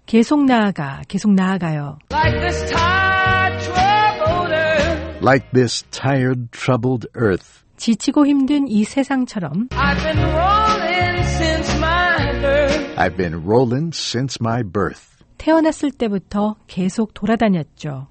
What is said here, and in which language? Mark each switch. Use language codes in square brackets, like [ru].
[ko] 계속 나아가, 계속 나아가요. [en] Like this tired, troubled earth. Like this tired, troubled earth. [ko] 지치고 힘든 이 세상처럼. [en] I've been rolling since my birth. I've been rolling since my birth. [ko] 태어났을 때부터 계속 돌아다녔죠.